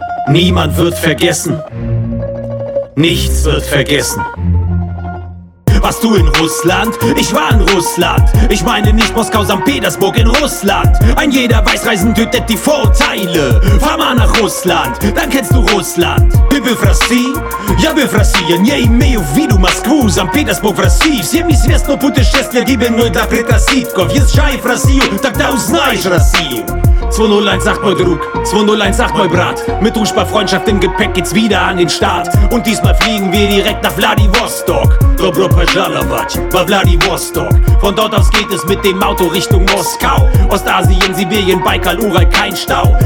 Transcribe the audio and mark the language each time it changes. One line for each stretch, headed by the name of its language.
German: Niemand wird vergessen, nichts wird vergessen. Warst du in Russland? Ich war in Russland. Ich meine nicht Moskau, St. Petersburg, in Russland. Ein jeder Weißreisen tötet die Vorurteile. Fahr mal nach Russland, dann kennst du Russland.
Russian: Ты был в России? Я был в России. Не имею в виду Москву, St. Petersburg, в России. Всем известно путешествие гибельное для предрассудков. Езжай в Россию, тогда узнаешь Россию.
German: 2-0-1 sagt mein Druck, 2-0-1 sagt mein Brat. Mit Druzhba-Freundschaft im Gepäck geht's wieder an den Start. Und diesmal fliegen wir direkt nach Vladivostok. Dobro pozdravljavat, bei Vladivostok. Von dort aus geht es mit dem Auto Richtung Moskau. Ostasien, Sibirien, Baikal, Ural, kein Stau.